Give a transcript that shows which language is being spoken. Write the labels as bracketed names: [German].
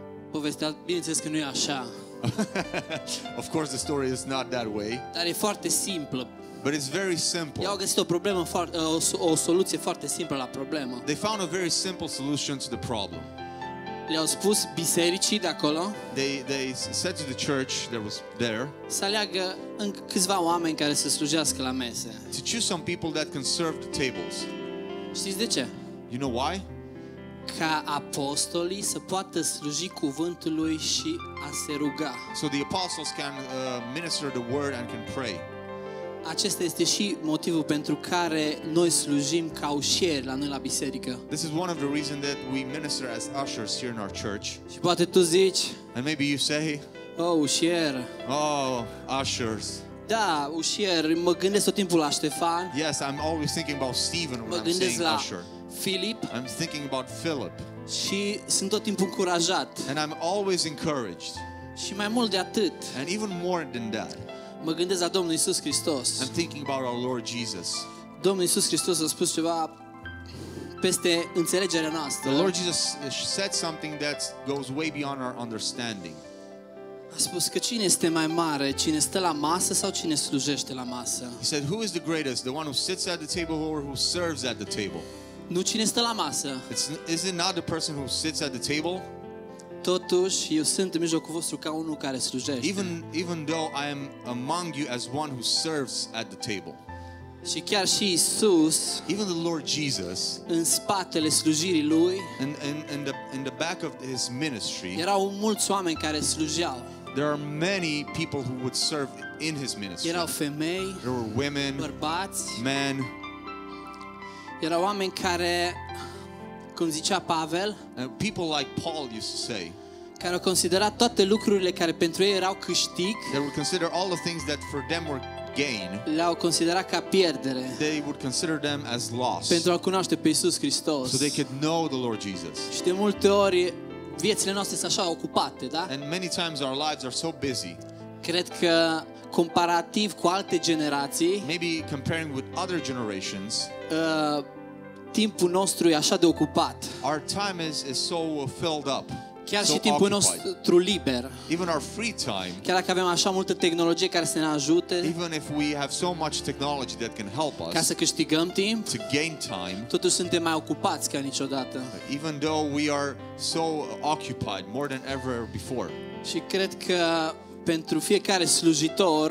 [Romanian] Povestea, bineînțeles că nu e așa. [English] Of course the story is not that way. [Romanian] Dar e foarte simplă. [English] But it's very simple. [Romanian] Au găsit o problemă foarte o soluție foarte simplă la problemă. [English] They found a very simple solution to the problem. [Romanian] Le-au spus bisericii de acolo. [English] They said to the church that was there. [Romanian] Să aleagă câțiva oameni care să slujească la mese. [English] To choose some people that can serve the tables. [Romanian] Știți de ce? [English] You know why? [Romanian] Ca apostolii să poată sluji cuvântul lui și a se ruga. [English] So the apostles can minister the word and can pray. [Romanian] Acesta este și motivul pentru care noi slujim ca ușieri la noi la biserică. [English] This is one of the reasons that we minister as ushers here in our church. [Romanian] Și poate tu zici, [English] and maybe you say, [Romanian] oh, ușier. [English] Oh, ushers. [Romanian] Da, ușier, mă gândesc tot timpul la Ștefan. [English] Yes, I'm always thinking about Stephen when [Romanian] mă gândesc [English] I'm saying usher. [Romanian] Filip. [English] I'm thinking about Philip. [Romanian] Și sunt tot timpul încurajat. [English] And I'm always encouraged. [Romanian] Și mai mult de atât. [English] And even more than that. [Romanian] Mă gândesc la Domnul Iisus Hristos. [English] I'm thinking about our Lord Jesus. [Romanian] Domnul Iisus Hristos a spus ceva peste înțelegerea noastră. [English] The Lord Jesus said something that goes way beyond our understanding. [Romanian] A spus că cine este mai mare, cine stă la masă sau cine slujește la masă? [English] He said, who is the greatest, the one who sits at the table or who serves at the table? [Romanian] Nu cine stă la masă. [English] Is it not the person who sits at the table? [Romanian] Totuși, eu sunt în mijlocul vostru ca unul care slujește. [English] Even though I am among you as one who serves at the table. [Romanian] Și chiar și Isus, [English] even the Lord Jesus, [Romanian] în spatele slujirii lui, [English] in the back of his ministry, [Romanian] erau mulți oameni care slujeau. [English] There are many people who would serve in his ministry. [Romanian] Erau femei, [English] there were women, [Romanian] bărbați, [English] men. [Romanian] Erau oameni care, cum zicea Pavel, [English] people like Paul used to say, [Romanian] care au considerat toate lucrurile care pentru ei erau câștig, [English] they would consider all the things that for them were gain, [Romanian] le-au considerat ca pierdere, [English] they would consider them as loss, [Romanian] pentru a cunoaște pe Iisus Hristos, [English] so they could know the Lord Jesus. [Romanian] Și de multe ori viețile noastre sunt așa ocupate, da? [English] And many times our lives are so busy. [Romanian] Cred că comparativ cu alte generații, [English] maybe comparing with other generations, [Romanian] timpul nostru e așa de ocupat. [English] Our time is so filled up. [Romanian] Chiar [English] so [Romanian] și timpul nostru liber. [English] Even our free time. [Romanian] Chiar dacă avem așa multă tehnologie care să ne ajute. [English] Even if we have so much technology that can help us. [Romanian] Ca să câștigăm timp. [English] To gain time. [Romanian] Totuși suntem mai ocupați ca niciodată. [English] Even though we are so occupied more than ever before. [Romanian] Și cred că pentru fiecare slujitor,